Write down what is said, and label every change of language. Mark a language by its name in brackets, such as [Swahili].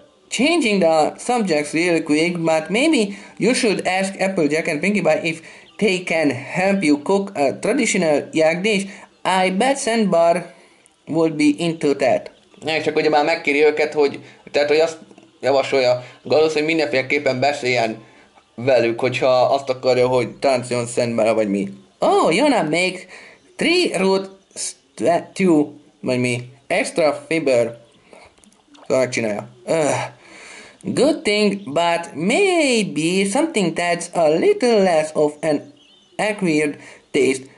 [English] Changing the subjects really quick, but maybe you should ask Applejack and Pinkie Pie if they can help you cook a traditional yak dish. I bet Sandbar would be into that. [Hungarian] Ja, és akkor ugye már megkéri őket, hogy tehát, hogy azt javasolja Galusz, hogy mindenféleképpen beszéljen velük, hogyha azt akarja, hogy táncoljon Sandbar, vagy mi. [English] Oh, Yona make three root stew, [Hungarian] vagy mi. [English] Extra fiber. [Hungarian] Szóval megcsinálja. [English] Good thing, but maybe something that's a little less of an acquired taste.